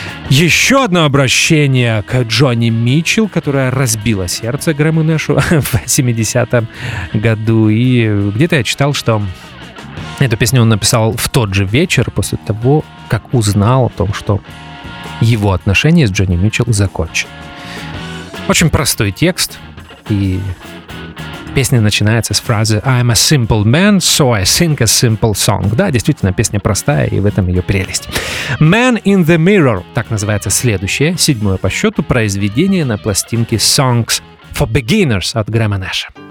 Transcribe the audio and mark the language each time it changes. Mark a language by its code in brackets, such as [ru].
[ru] Еще одно обращение к Джонни Митчелл, которая разбила сердце Грэму Нэшу в 70-м году. И где-то я читал, что эту песню он написал в тот же вечер, после того, как узнал о том, что его отношения с Джонни Митчелл закончены. Очень простой текст, и песня начинается с фразы [en] «I'm a simple man, so I sing a simple song». [ru] Да, действительно, песня простая, и в этом ее прелесть. «Man in the Mirror» — так называется следующее, седьмое по счету, произведение на пластинке «Songs for Beginners» от Грэма Нэша.